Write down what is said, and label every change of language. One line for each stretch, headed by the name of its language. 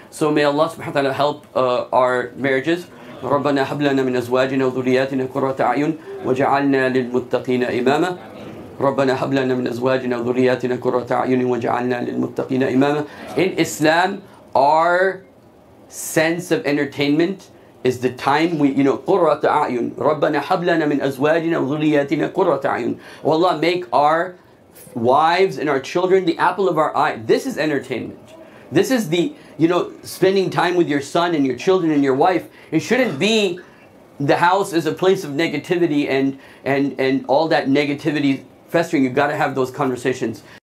English: So may Allah subhanahu wa ta'ala help our marriages.
Arabic: رَبَّنَا هَبْ لَنَا مِنْ أَزْوَاجِنَا وَذُرِّيَّاتِنَا قُرَّةَ أَعْيُنٍ وَاجْعَلْنَا لِلْمُتَّقِينَ إِمَامًا ربنا هب لنا من ازواجنا وذرياتنا قرة اعين واجعلنا للمتقين اماما.
English: In Islam, our sense of entertainment is the time we, you know,
Arabic: قرة اعين. ربنا هب لنا من ازواجنا وذرياتنا قرة اعين.
English: Oh Allah, make our wives and our children the apple of our eye. This is entertainment. This is the, you know, spending time with your son and your children and your wife. It shouldn't be the house is a place of negativity and all that negativity festering. You've got to have those conversations.